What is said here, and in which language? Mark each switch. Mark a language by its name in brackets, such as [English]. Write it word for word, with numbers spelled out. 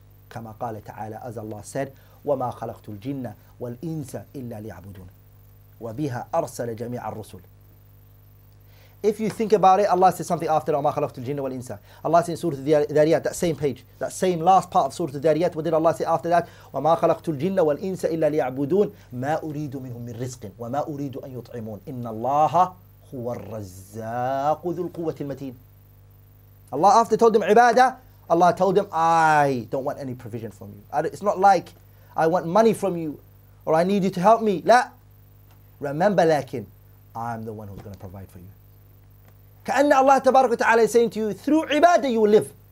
[Arabic] كما قال تعالى, [English] as Allah said, [Arabic] وما خلقت الجن والإنس إلا ليعبدون وبها أرسل جميع الرسل. [English] If you think about it, Allah says something after [Arabic] وما خلقت الجن والإنس. [English] Allah says in Surah Al-Dhariyat, that same page, that same last part of Surah Al-Dhariyat, what did Allah say after that? [Arabic] وما خلقت الجن والإنس إلا ليعبدون ما أريد منهم من رزق وما أريد أن يطعمون إن الله هو الرزاق ذو القوة المتين. [English] Allah after told them ibadah, Allah told them, I don't want any provision from you. I, it's not like I want money from you or I need you to help me. La. Remember, lakin, I'm the one who's going to provide for you. كأن Allah tabarak wa ta'ala is saying to you, through ibadah you will live.